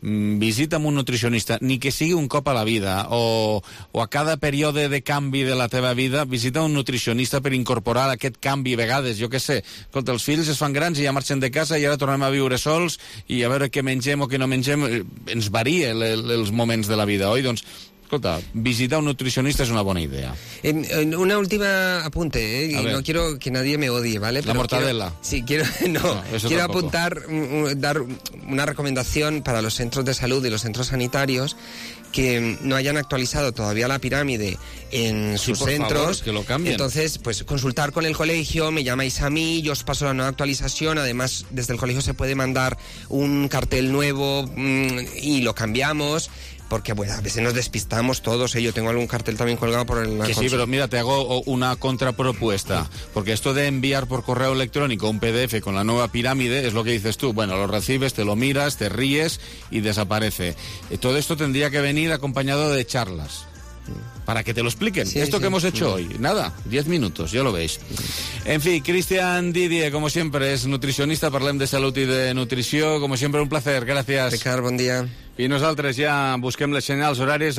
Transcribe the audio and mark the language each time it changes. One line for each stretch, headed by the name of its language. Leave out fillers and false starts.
Catalan: Visita amb un nutricionista, ni que sigui un cop a la vida, o a cada període de canvi de la teva vida, visita un nutricionista per incorporar aquest canvi a vegades, jo què sé. Escolta, els fills es fan grans i ja marxen de casa i ara tornem a viure sols i a veure què mengem o què no mengem. Ens varia els moments de la vida, oi? Doncs, escolta, visitar un nutricionista
Spanish: es una buena idea. Una última apunte, y no quiero que nadie me odie, ¿vale? La mortadela. Quiero apuntar, dar una recomendación para los centros de salud y los centros sanitarios que no hayan actualizado todavía la pirámide en sus centros. Favor, que lo cambien. Entonces, pues consultar con el colegio, me llamáis a mí, yo os paso la nueva actualización. Además, desde el colegio se puede mandar un cartel nuevo y lo cambiamos. Porque, bueno, a veces nos despistamos todos, ¿eh? Yo tengo algún cartel también colgado por el... Sí, pero mira, te hago una contrapropuesta. Porque esto de enviar por correo electrónico un PDF con la nueva pirámide es lo que dices tú. Bueno, lo recibes, te lo miras, te ríes y desaparece. Todo esto tendría que venir acompañado de charlas. Para que te lo expliquen. Sí, esto sí, que hemos hecho hoy. Nada, 10 minutos, ya lo veis. En fin, Cristian Didier, como siempre, es nutricionista.
Catalan: Parlem
Spanish: de salud y de nutrición. Como siempre, un placer. Gracias.
Catalan: Ricard, bon dia. I nosaltres ja busquem les senyals horàries.